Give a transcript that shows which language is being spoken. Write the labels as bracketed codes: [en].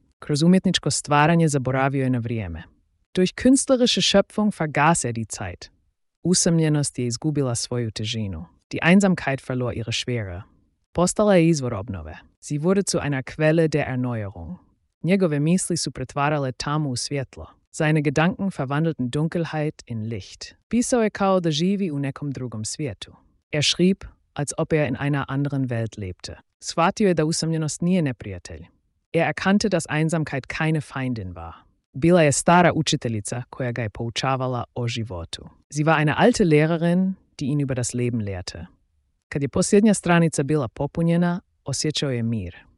[hr] Kroz umjetničko stvaranje zaboravio je na vrijeme. [de] Durch künstlerische Schöpfung vergaß er die Zeit. [hr] Usamljenost je izgubila svoju težinu. [de] Die Einsamkeit verlor ihre Schwere. [hr] Postala je izvor obnove. [de] Sie wurde zu einer Quelle der Erneuerung. [hr] Njegove misli su pretvarale tamu u svjetlo. [de] Seine Gedanken verwandelten Dunkelheit in Licht. [hr] Pisao je kao da živi u nekom drugom svijetu. [de] Er schrieb, als ob er in einer anderen Welt lebte. [hr] Shvatio je da usamljenost nije neprijatelj. [de] Er erkannte, dass Einsamkeit keine Feindin war. [hr] Bila je stara učiteljica koja ga je poučavala o životu. [de] Sie war eine alte Lehrerin, die ihn über das Leben lehrte. [hr] Kad je posljednja stranica bila popunjena, osjećao je mir.